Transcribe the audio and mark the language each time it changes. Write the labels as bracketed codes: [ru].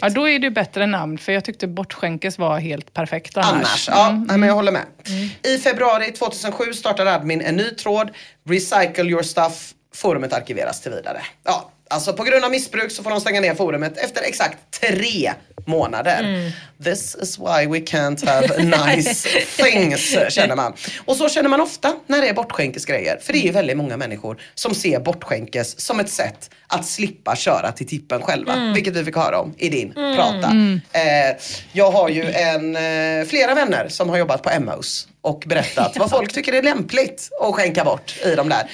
[sv] Ja, då är det bättre namn, för jag tyckte Bortskänkes var helt perfekt annars. Men jag håller med. I februari 2007 startar admin en ny tråd. Recycle Your Stuff. Forumet arkiveras till vidare. Ja, alltså på grund av missbruk så får de stänga ner forumet efter exakt 3 månader. [en] This is why we can't have nice things, [sv] känner man. Och så känner man ofta när det är Bortskänkes grejer. För det är ju väldigt många människor som ser Bortskänkes som ett sätt att slippa köra till tippen själva. Mm. Vilket vi fick höra om i din prata. Jag har ju flera vänner som har jobbat på Emmaus. Och berättat vad folk tycker är lämpligt att skänka bort i de där.